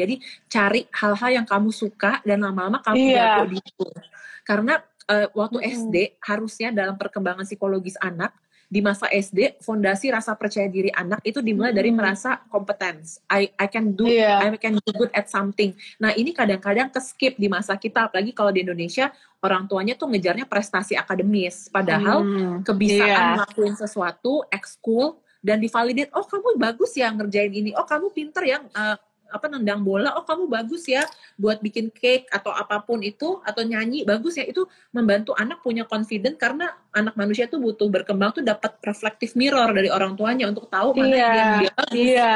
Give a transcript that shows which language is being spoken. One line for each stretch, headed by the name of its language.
Indonesian: Jadi cari hal-hal yang kamu suka dan lama-lama kamu jago di itu. Karena waktu SD harusnya dalam perkembangan psikologis anak, di masa SD fondasi rasa percaya diri anak itu dimulai dari merasa kompetens.
English: I can do good at something.
Indonesian: Nah, ini kadang-kadang ke-skip di masa kita, apalagi kalau di Indonesia orang tuanya tuh ngejarnya prestasi akademis, padahal kebiasaan ngelakuin sesuatu ekskul dan divalidate, oh kamu bagus ya ngerjain ini, oh kamu pinter ya nendang bola, oh kamu bagus ya buat bikin cake atau apapun itu, atau nyanyi, bagus ya, itu membantu anak punya confident, karena anak manusia tuh butuh berkembang tuh dapat reflective mirror dari orang tuanya untuk tahu mana yang dia bagus.